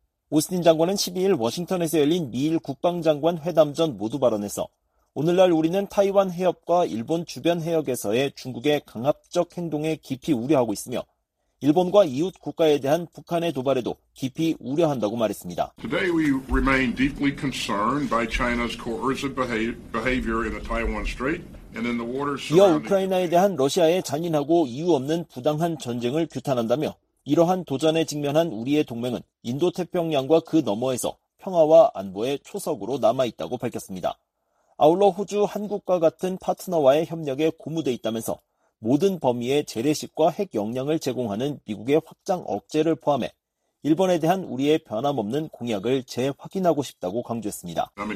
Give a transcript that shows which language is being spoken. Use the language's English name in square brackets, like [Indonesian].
[Korean] 오스틴 장관은 12일 워싱턴에서 열린 미일 국방장관 회담 전 모두 발언에서 오늘날 우리는 타이완 해협과 일본 주변 해역에서의 중국의 강압적 행동에 깊이 우려하고 있으며 일본과 이웃 국가에 대한 북한의 도발에도 깊이 우려한다고 말했습니다. [English] Today we remain deeply concerned by China's coercive behavior in the Taiwan Strait and in the waters surrounding. [Korean] 이어 우크라이나에 대한 러시아의 잔인하고 이유 없는 부당한 전쟁을 규탄한다며 이러한 도전에 직면한 우리의 동맹은 인도태평양과 그 너머에서 평화와 안보의 초석으로 남아있다고 밝혔습니다. 아울러 호주, 한국과 같은 파트너와의 협력에 고무돼 있다면서 모든 범위의 재래식과 핵 역량을 제공하는 미국의 확장 억제를 포함해 일본에 대한 우리의 변함없는 공약을 재확인하고 싶다고 강조했습니다.